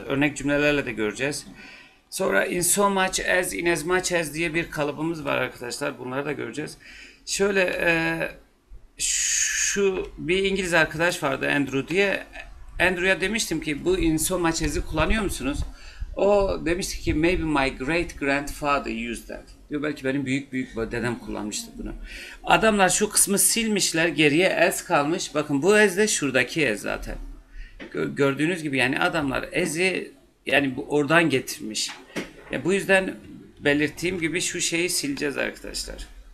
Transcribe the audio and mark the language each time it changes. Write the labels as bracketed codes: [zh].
[tr] Örnek cümlelerle de göreceğiz. Sonra in so much as, in as much as diye bir kalıbımız var arkadaşlar. Bunları da göreceğiz. Şöyle şu bir İngiliz arkadaş vardı Andrew diye. Andrew'ya demiştim ki bu in so much as'i kullanıyor musunuz? O demişti ki [en] maybe my great grandfather used that. [tr] Diyor belki benim büyük büyük dedem kullanmıştı bunu. Adamlar şu kısmı silmişler geriye as kalmış. Bakın bu as de şuradaki as zaten. Gördüğünüz gibi yani adamlar as'i yani bu oradan getirmiş. Ya bu yüzden belirttiğim gibi şu şeyi sileceğiz arkadaşlar.